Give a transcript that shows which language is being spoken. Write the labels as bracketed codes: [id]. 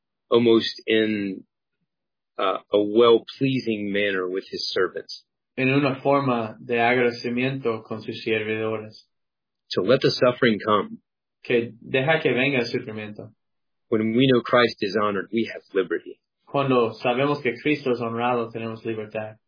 [en] Almost in a well-pleasing manner with his servants. [es] En una forma de agradecimiento con sus servidores. [en] So let the suffering come. [es] Que deja que venga el sufrimiento. [en] When we know Christ is honored, we have liberty. [es] Cuando sabemos que Cristo es honrado, tenemos libertad.